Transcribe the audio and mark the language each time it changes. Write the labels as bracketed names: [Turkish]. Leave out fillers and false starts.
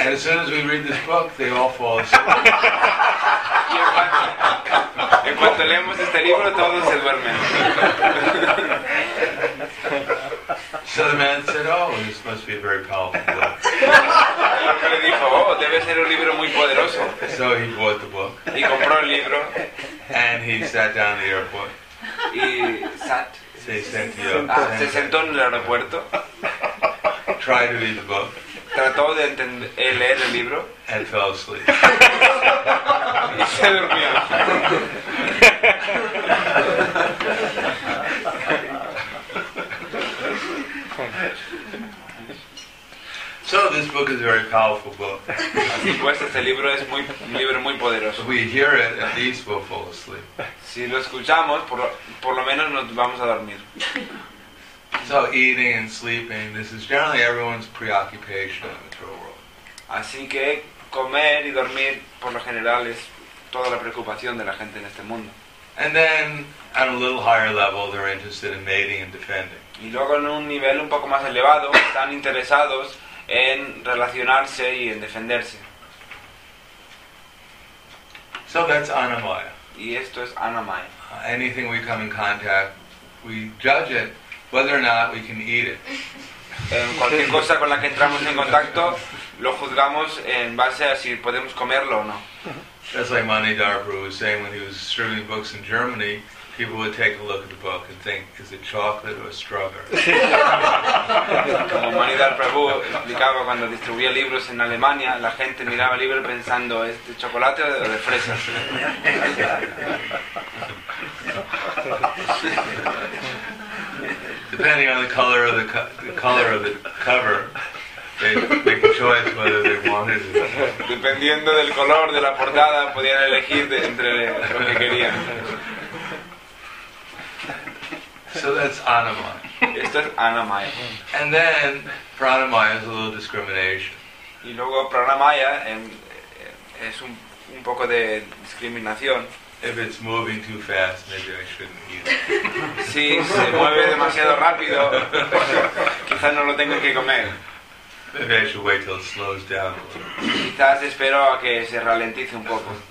[English] And as soon as we read this book, they all fall asleep. [Spanish] En cuanto leemos este libro, todos se duermen. [English] So the man said, "Oh, this must be a very powerful book." [Spanish] Le dijo, "Oh, debe ser un libro muy poderoso." [English] So he bought the book. [Spanish] Y compró el libro. [English] And he sat down at the airport. [Spanish] Y [English] sat. [Spanish] Se sentó en el aeropuerto. [English] Tried to read the book. [Spanish] Trató de entender, leer el libro. [English] And fell asleep. [Spanish] Y se durmió. [English] So this book is a very powerful book. [Spanish] Así pues, este libro es muy, un libro muy poderoso. [English] If we hear it, at least we'll fall asleep. [Spanish] Si lo escuchamos, por lo menos nos vamos a dormir. [English] So eating and sleeping, this is generally everyone's preoccupation in the material world. [Spanish] Así que comer y dormir, por lo general, es toda la preocupación de la gente en este mundo. [English] And then, on a little higher level, they're interested in mating and defending. [Spanish] Y luego en un nivel un poco más elevado, están interesados en relacionarse y en defenderse. [English] So that's anamaya. [Spanish] Y esto es anamaya. [English] Anything we come in contact, we judge it, whether or not we can eat it. [Spanish] Cualquier cosa con la que entramos en contacto, lo juzgamos en base a si podemos comerlo o no. [English] That's like Mani Darpa was saying when he was distributing books in Germany. People would take a look at the book and think, is it chocolate or strawberry? [Spanish] Como Mani Dar Prabhu explicaba cuando distribuía libros en Alemania, la gente miraba el libro pensando, ¿es de chocolate o de fresas? [English] Depending on the color of the color of the cover, they make a choice whether they wanted it. [Spanish] Dependiendo del color de la portada, podían elegir entre lo que querían. [English] So that's anamaya. [Spanish] Esto es anamaya. [English] And then pranamaya is a little discrimination. [Spanish] Y luego pranamaya es un poco de discriminación. [English] If it's moving too fast, maybe I shouldn't eat it. [Spanish] Si se mueve demasiado rápido, quizás no lo tenga que comer. [English] Maybe I should wait till it slows down a little. [Spanish] Quizás espero a que se ralentice un poco.